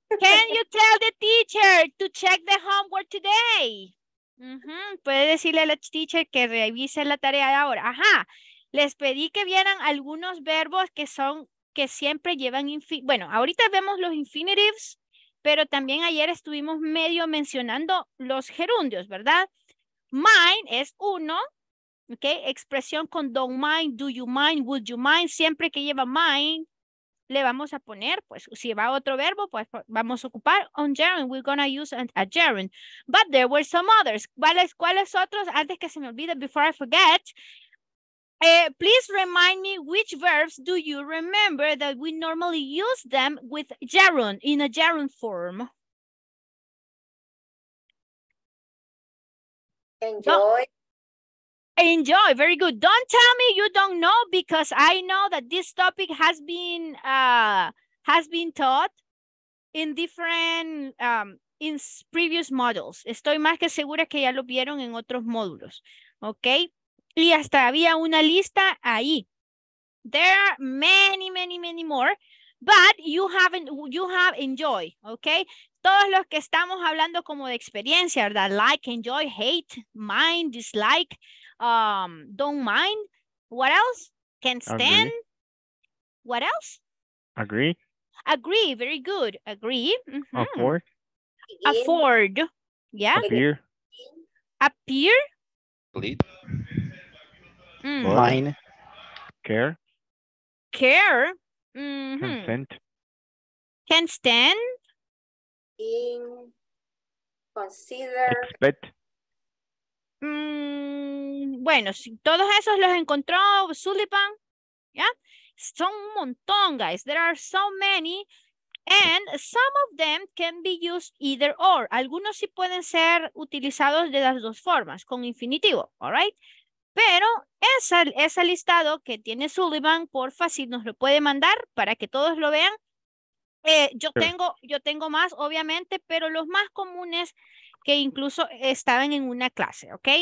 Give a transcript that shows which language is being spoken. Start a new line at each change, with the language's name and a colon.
English: Can you tell the teacher to check the homework today? Uh-huh.
Spanish: Puede decirle a la teacher que revise la tarea de ahora. Ajá. Les pedí que vieran algunos verbos que son que siempre llevan infinitive. Bueno, ahorita vemos los infinitives, pero también ayer estuvimos medio mencionando los gerundios, ¿verdad?
English: Mine
Spanish: es uno,
English: ¿ok?
Spanish: Expresión con
English: don't mind, do you mind, would you mind.
Spanish: Siempre que lleva mind, le vamos a poner, pues, si va otro verbo, pues, vamos a ocupar on gerund.
English: We're gonna use a gerund. But there were some others.
Spanish: ¿Cuáles otros? Antes que se me olvide,
English: before I forget. Please remind me which verbs do you remember that we normally use them with gerund, in a gerund form. Enjoy. Enjoy, very good. Don't tell me you don't know, because I know that this topic has been taught in different in previous modules.
Spanish: Estoy más que segura que ya lo vieron en otros módulos. Okay. Y hasta había una lista ahí.
English: There are many, many, many more, but you have enjoy, okay?
Spanish: Todos los que estamos hablando como de experiencia, ¿verdad?
English: Like, enjoy, hate, mind, dislike, don't mind. What else? Can't stand. Agree. What else? Agree. Agree, very good. Agree. Mm-hmm. Afford. Afford. Yeah. Appear. Appear. Bleed. Mine. Care. Care. Mm-hmm. Consent. Can stand. In. Consider. Expect.
Spanish: Bueno, si todos esos los encontró Sullivan, yeah, son un montón, guys.
English: There are so many, and some of them can be used either or.
Spanish: Algunos sí pueden ser utilizados de las dos formas, con infinitivo,
English: all right?
Spanish: Pero ese listado que tiene Sullivan, porfa, si nos lo puede mandar para que todos lo vean. Yo tengo más, obviamente, pero los más comunes que incluso estaban en una clase, ¿ok?